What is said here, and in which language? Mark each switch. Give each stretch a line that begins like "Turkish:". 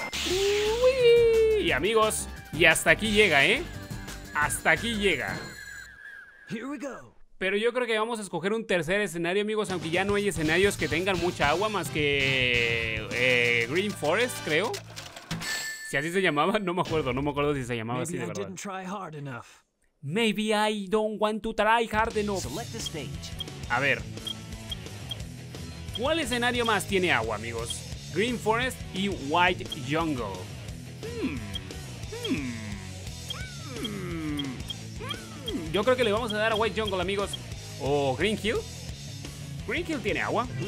Spanish: ¡Woo! Y amigos, y hasta aquí llega, ¿eh? Hasta aquí llega. Pero yo creo que vamos a escoger un tercer escenario, amigos, aunque ya no hay escenarios que tengan mucha agua más que Green Forest, creo. Si así se llamaba, no me acuerdo si se llamaba así de verdad.
English: Maybe I didn't try hard enough. Maybe I don't want to try hard enough. Select the stage.
Spanish: A ver. ¿Cuál escenario más tiene agua, amigos? Green Forest y White Jungle. Yo creo que le vamos a dar a White Jungle, amigos. ¿O Green Hill? ¿Green Hill tiene agua?